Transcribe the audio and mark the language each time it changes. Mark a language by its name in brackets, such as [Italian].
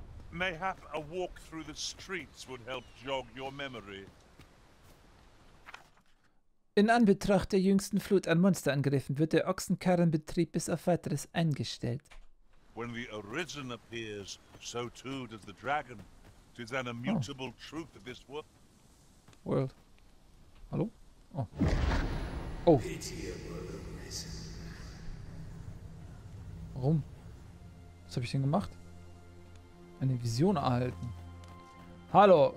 [English] Mayhap a walk through the streets would help jog your memory. [German] In Anbetracht der jüngsten Flut an Monsterangriffen wird der Ochsenkarrenbetrieb bis auf weiteres eingestellt. [English] When the Arisen appears, so too does the dragon. It is an immutable truth of this world. World. Hallo? Oh. Oh. [German] Warum? Was habe ich denn gemacht? Eine Vision erhalten. Hallo,